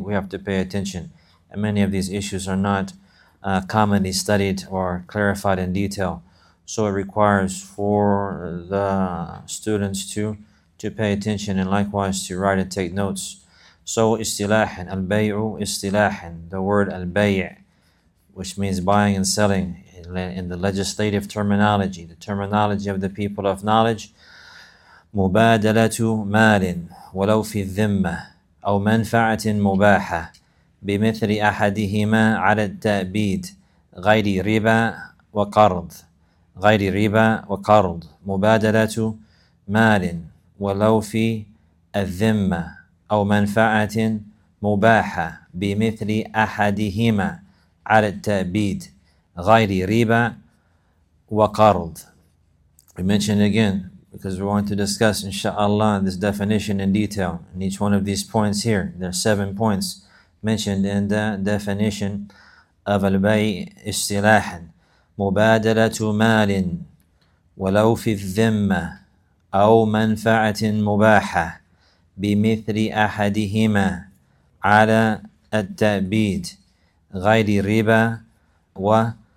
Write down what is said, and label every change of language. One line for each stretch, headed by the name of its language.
English: We have to pay attention. And many of these issues are not commonly studied or clarified in detail. So it requires for the students to pay attention and likewise to write and take notes. So istilahan, al-bay'u istilahan. The word al-bay', which means buying and selling, in the legislative terminology, the terminology of the people of knowledge,
Arabic: مُبَادَلَةُ مَالٍ وَلَوْ فِي الذِّمَّةِ أَوْ مَنْفَعَةٍ مُبَاحَةٍ بِمِثْلِ أَحَدِهِمَا عَلَى التَّأْبِيدِ غَيْرِ رِبَا وَقَرْضٍ غَيْرِ رِبَا وَقَرْضٍ مُبَادَلَةُ مَالٍ وَلَوْ فِي الذِّمَّةِ أَوْ مَنْفَعَةٍ مُبَاحَةٍ بِمِثْلِ أَحَدِهِمَا عَلَى التَّأْبِيدِ غَيْرِ رِبَا وَقَرْضٍ.
English: We mention it again because we want to discuss inshallah this definition in detail in each one of these points here. There are 7 points mentioned in the definition of al-bay' istilahan.
Arabic: مُبَادَلَةُ مَالٍ وَلَوْ فِي الذِّمَّةِ أَوْ مَنْفَعَةٍ مُبَاحَةٍ بِمِثْلِ أَحَدِهِمَا عَلَى التَّأْبِيدِ غَيْرِ رِبَا وَقَرْضٍ.